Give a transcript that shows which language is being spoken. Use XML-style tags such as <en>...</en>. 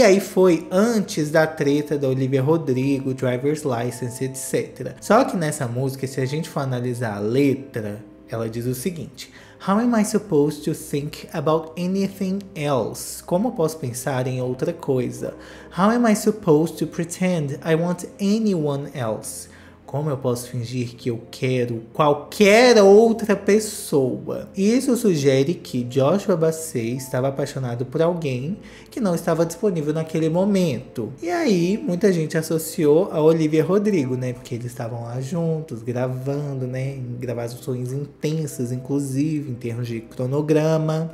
<pt>E aí foi antes da treta da Olivia Rodrigo, Driver's License, etc. Só que nessa música, se a gente for analisar a letra, ela diz o seguinte:</pt> <en>How am I supposed to think about anything else?</en> <pt>Como eu posso pensar em outra coisa?</pt> <en>How am I supposed to pretend I want anyone else?</en> <pt>Como eu posso fingir que eu quero qualquer outra pessoa? Isso sugere que Joshua Bassett estava apaixonado por alguém que não estava disponível naquele momento. E aí, muita gente associou a Olivia Rodrigo, né? Porque eles estavam lá juntos, gravando, né? Gravações intensas, inclusive, em termos de cronograma.</pt>